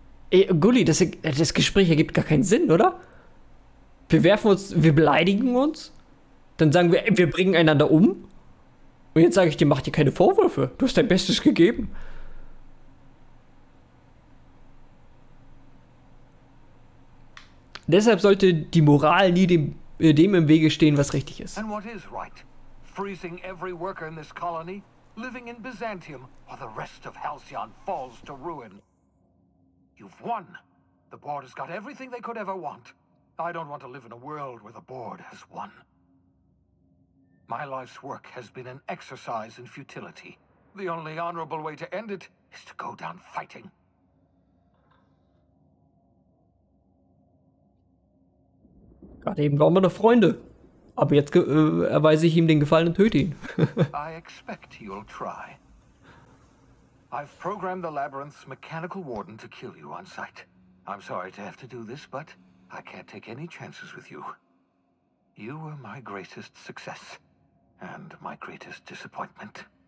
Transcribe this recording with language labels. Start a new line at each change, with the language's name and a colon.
German: Ey, Gulli, das Gespräch ergibt gar keinen Sinn, oder? Wir beleidigen uns, dann sagen wir, wir bringen einander um. Und jetzt sage ich dir, mach dir keine Vorwürfe, du hast dein Bestes gegeben. Deshalb sollte die Moral nie dem im Wege stehen, was richtig ist.
English: And what is right? Freezing every worker in this colony, living in Byzantium, while the rest of Halcyon falls to ruin. You've won. The board has got everything they could ever want. I don't want to live in a world where the board has won. My life's work has been an exercise in futility. The only honorable way to end it is to go down fighting.
German: Gerade eben waren wir noch Freunde. Aber jetzt erweise ich ihm den Gefallen und töte ihn.
English: I expect you'll try. I've programmed the Labyrinth's mechanical warden to kill you on sight. I'm sorry to have to do this, but I can't take any chances with you. You were my greatest success and my greatest disappointment.